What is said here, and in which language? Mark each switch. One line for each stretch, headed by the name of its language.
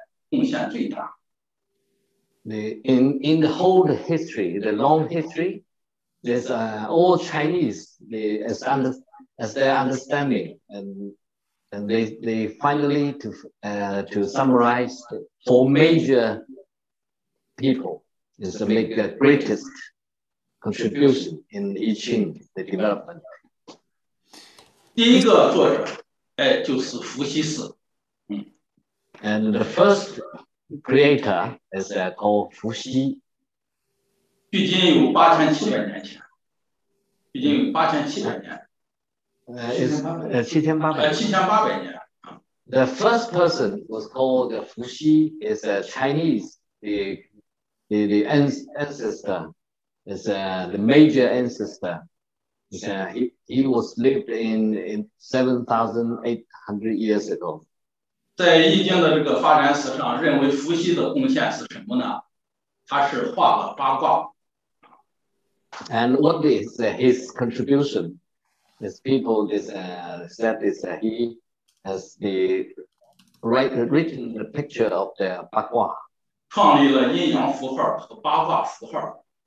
English: In the whole history, the long history, there's all Chinese as their understanding, and they finally to summarize four major people is to make the greatest contribution in I Ching the development.
Chinese: 第一个作者，哎，就是伏羲氏。
English: And the first creator is called Fuxi.
Chinese: 距今有8700年前。
English: It's 7800.
Chinese: 7800年。
English: The first person was called Fuxi, is a Chinese, the ancestor, is the major ancestor. He was lived in 7,800 years ago.
Chinese: 在易经的这个发展史上, 认为伏羲的贡献是什么呢? 他是画了八卦。
English: And what is his contribution? His people said is that he has the written the picture of the 八卦.
Chinese: 创立了阴阳符号和八卦符号。